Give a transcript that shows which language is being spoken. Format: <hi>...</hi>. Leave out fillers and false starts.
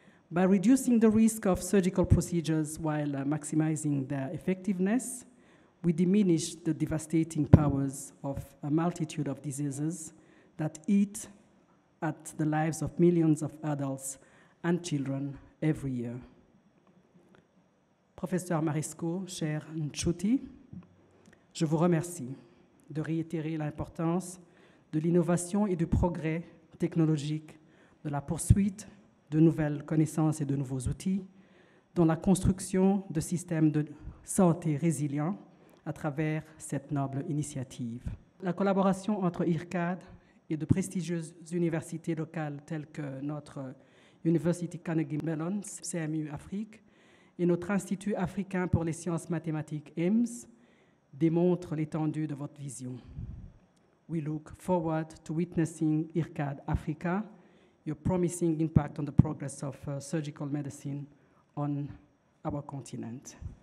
<en>By reducing the risk of surgical procedures while maximizing their effectiveness, we diminish the devastating powers of a multitude of diseases that eat at the lives of millions of adults and children every year.</en> <fr>Professeur Marescaux, cher Nchuti, je vous remercie de réitérer l'importance de l'innovation et du progrès technologique, de la poursuite de nouvelles connaissances et de nouveaux outils, dans la construction de systèmes de santé résilients à travers cette noble initiative. La collaboration entre IRCAD et de prestigieuses universités locales telles que notre University Carnegie Mellon, CMU Afrique, et notre Institut africain pour les sciences mathématiques, IMS, démontre l'étendue de votre vision.</fr> <en>We look forward to witnessing IRCAD Africa, your promising impact on the progress of surgical medicine on our continent.</en>